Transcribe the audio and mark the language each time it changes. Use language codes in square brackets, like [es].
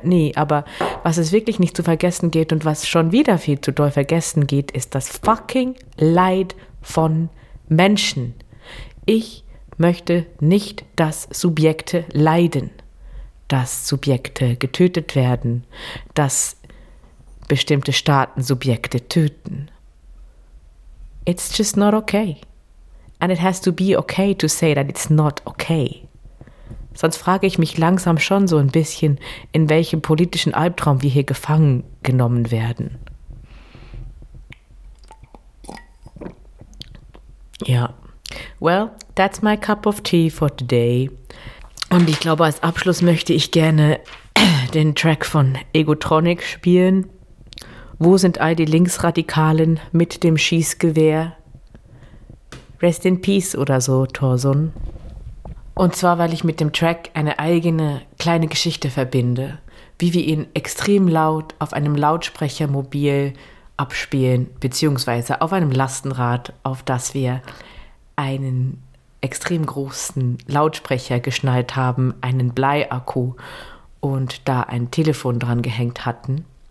[de] Nee, aber was es wirklich nicht zu vergessen geht und was schon wieder viel zu doll vergessen geht, ist das fucking Leid von Menschen. Ich möchte nicht, dass Subjekte leiden. Dass Subjekte getötet werden, dass bestimmte Staaten Subjekte töten. [en] It's just not okay. And it has to be okay to say that it's not okay. [de] Sonst frage ich mich langsam schon so ein bisschen, in welchem politischen Albtraum wir hier gefangen genommen werden. Ja. [en] Well, that's my cup of tea for today. [de] Und ich glaube, als Abschluss möchte ich gerne den Track von Egotronic spielen. Wo sind all die Linksradikalen mit dem Schießgewehr? [en] Rest in Peace [de] oder so, Torsun. Und zwar, weil ich mit dem Track eine eigene kleine Geschichte verbinde, wie wir ihn extrem laut auf einem Lautsprechermobil abspielen, beziehungsweise auf einem Lastenrad, auf das wir einen extrem großen Lautsprecher geschnallt haben, einen Bleiakku und da ein Telefon dran gehängt hatten.